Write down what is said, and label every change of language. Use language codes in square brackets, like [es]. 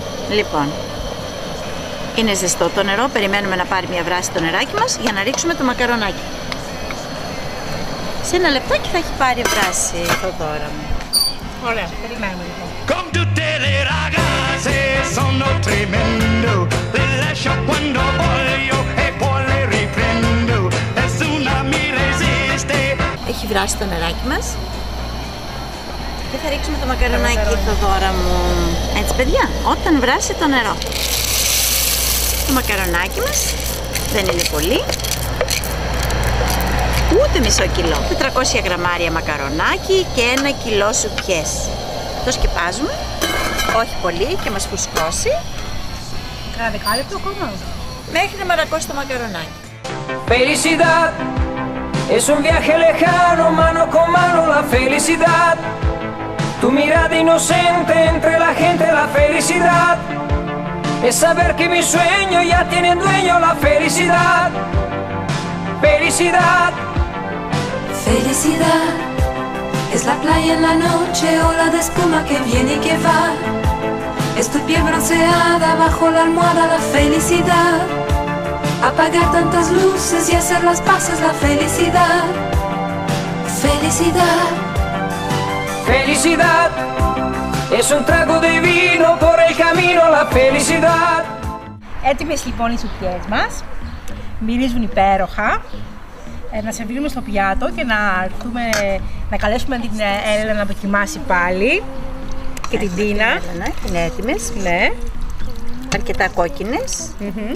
[el] Λοιπόν, είναι ζεστό το νερό, περιμένουμε να πάρει μια βράση το νεράκι μας για να ρίξουμε το μακαρονάκι. Σε ένα λεπτάκι θα έχει πάρει βράση το δώρο μου. [it] Come to Delhi, ragazze, sono tremendo. Le lascio quando voglio e poi le riprendo. Nessuna mi resiste. [el] Έχει βράσει το νεράκι μας. Και θα ρίξουμε το μακαρονάκι, Θοδώρα μου. Έτσι, παιδιά, όταν βράσει το νερό. Το μακαρονάκι μας δεν είναι πολύ. Ούτε μισό κιλό. 400 γραμμάρια μακαρονάκι και ένα κιλό σουπιές. Το σκεπάζουμε. Όχι πολύ και μας φουσκώσει. Κάνα δεκάλεπτο ακόμα. Μέχρι να μαρακώσει το μακαρονάκι. [es] Felicidad. Es un viaje lejano, mano con mano, la felicidad. Tu mirada inocente entre la gente, la felicidad. Es saber que mi sueño ya tiene dueño, la felicidad. Felicidad. Felicidad es la playa en la noche, ola de espuma que viene y que va. Es tu piel bronceada bajo la almohada, la felicidad. Apagar tantas luces y hacer las paces, la felicidad. Felicidad. Felicidad es un trago de vino por el camino, la felicidad. [el] Έτοιμες λοιπόν οι σουπιές μας. Μυρίζουν υπέροχα. Να σερβίρουμε στο πιάτο και να έρθουμε να καλέσουμε την Έλενα να δοκιμάσει πάλι και την Τίνα. Είναι έτοιμες. Ναι. Αρκετά κόκκινες. Mm-hmm.